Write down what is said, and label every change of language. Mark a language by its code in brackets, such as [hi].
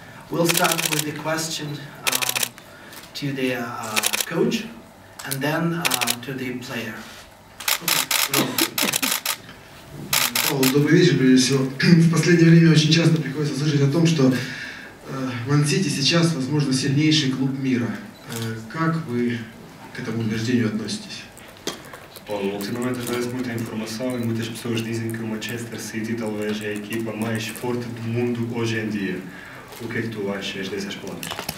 [en] We'll start with the question to the coach, and then to the player. Okay. [ru] Добрый вечер, прежде всего. В последнее время очень часто приходится слышать о том, что Ман-Сити сейчас, возможно, сильнейший клуб мира. Как вы к этому убеждению относитесь? [pt] Ultimamente vejo muita informação e muitas pessoas dizem que o Manchester City talvez é a equipa mais forte do mundo hoje em dia. O que é que tu achas dessas palavras?